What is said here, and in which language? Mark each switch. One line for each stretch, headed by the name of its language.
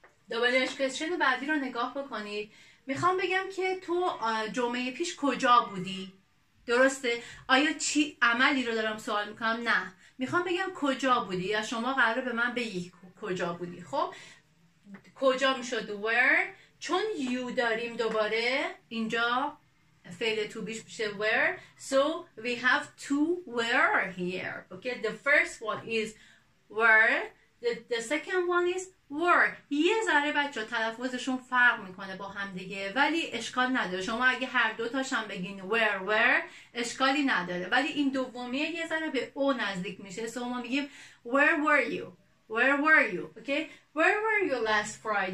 Persian: WH question بعدی رو نگاه بکنید. میخوام بگم که تو جمعه پیش کجا بودی؟ درسته؟ آیا چی عملی رو دارم سوال میکنم؟ نه، میخوام بگم کجا بودی یا شما قراره به من بگی کجا بودی. خب کجا میشد where، چون you داریم دوباره اینجا فعل to be میشه where.
English: So we have two where here. Okay, the first one is where, the second one is where.
Persian: یه ذره بچه تلفظشون فرق میکنه با هم دیگه، ولی اشکال نداره. شما اگه هر دو تاشم بگین where اشکالی نداره، ولی این دومیه یه ذره به او نزدیک میشه. سو ما میگیم
English: where were you, where were you. okay where were you last Friday.